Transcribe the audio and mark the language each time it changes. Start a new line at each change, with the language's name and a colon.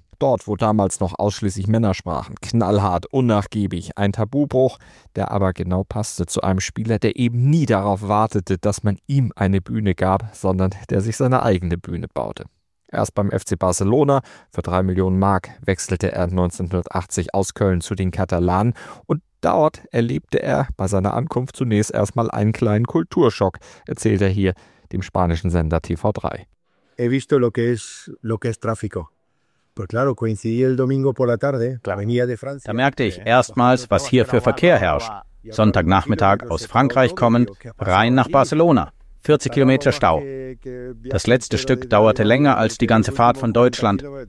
German: Dort, wo damals noch ausschließlich Männer sprachen, knallhart, unnachgiebig, ein Tabubruch, der aber genau passte zu einem Spieler, der eben nie darauf wartete, dass man ihm eine Bühne gab, sondern der sich seine eigene Bühne baute. Erst beim FC Barcelona, für 3 Millionen Mark, wechselte er 1980 aus Köln zu den Katalanen und Dort erlebte er bei seiner Ankunft zunächst erstmal einen kleinen Kulturschock, erzählt er hier dem spanischen Sender TV3.
Spanish: He visto lo que es tráfico.
German: Da merkte ich erstmals, was hier für Verkehr herrscht. Sonntagnachmittag aus Frankreich kommend, rein nach Barcelona. 40 Kilometer Stau. Das letzte Stück dauerte länger als die ganze Fahrt von Deutschland.